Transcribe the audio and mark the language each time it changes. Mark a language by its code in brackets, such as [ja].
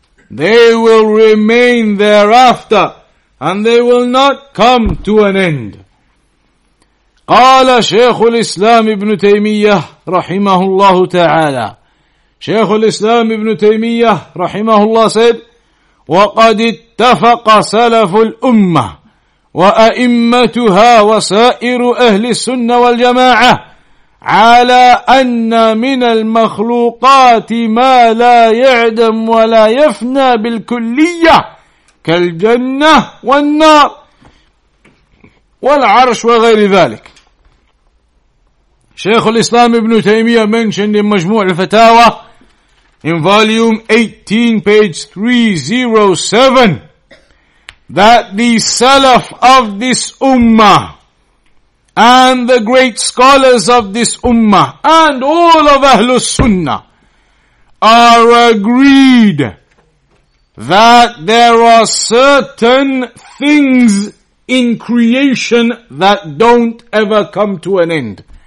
[en] They will remain thereafter, and they will not come to an end. [ar] قال شيخ الإسلام ابن تيمية رحمه الله تعالى. شيخ الإسلام ابن تيمية رحمه الله [en] said, [ar] وقد اتفق سلف الأمة وأئمتها وسائر أهل السنة والجماعة على أن من المخلوقات ما لا يعدم ولا يفنى بالكلية كالجنة والنار والعرش وغير ذلك. [en] Shaykh al-Islam ibn Taymiyyah mentioned in Majmu' al-Fatawa in volume 18, page 307, that the Salaf of this Ummah and the great scholars of this Ummah and all of Ahlus Sunnah are agreed that there are certain things in creation that don't ever come to an end.